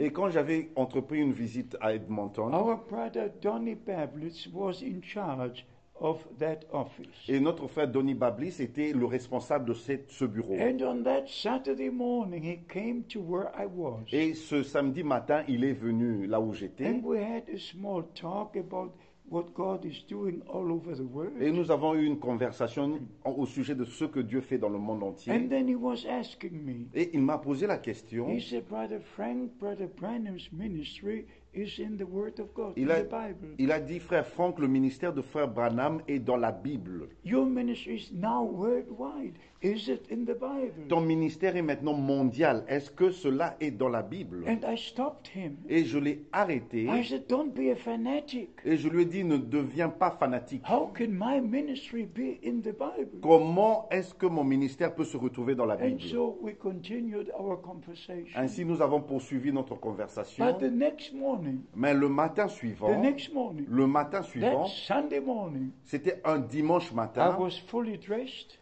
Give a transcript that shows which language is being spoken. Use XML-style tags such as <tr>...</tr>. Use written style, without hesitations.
<fr>Et quand j'avais entrepris une visite à Edmonton,</fr> <en>our brother Donnie Bablitz was in charge of that office.</en> <fr>Et notre frère Donnie Bablitz était le responsable de ce bureau.</fr> <en>And on that Saturday morning, he came to where I was.</en> <fr>Et ce samedi matin, il est venu là où j'étais.</fr> <en>And we had a small talk about what God is doing all over the world.</en> <fr>Et nous avons eu une conversation au sujet de ce que Dieu fait dans le monde entier.</fr> <en>And then he was asking me.</en> <fr>Et il m'a posé la question.</fr> <en>He said, Brother Frank, Brother Branham's ministry is in the Word of God, in the Bible.</en> <fr>Il a dit, Frère Frank, le ministère de Frère Branham est dans la Bible.</fr> <en>Your ministry is now worldwide. Is it in the Bible?</en> <fr>Ton ministère est maintenant mondial. Est-ce que cela est dans la Bible?</fr> <en>And I stopped him.</en> <fr>Et je l'ai arrêté.</fr> <en>I said, don't be a fanatic.</en> <fr>Et je lui ai dit, ne deviens pas fanatique.</fr> <en>How can my ministry be in the Bible?</en> <fr>Comment est-ce que mon ministère peut se retrouver dans la Bible?</fr> <en>And so we continued our conversation.</en> <fr>Ainsi, nous avons poursuivi notre conversation.</fr> <en>But the next morning,</en> <fr>mais le matin suivant,</fr> <en>the next morning,</en> <fr>le matin suivant,</fr> <en>that Sunday morning,</en> <fr>c'était un dimanche matin,</fr> <en>I was fully dressed.</en>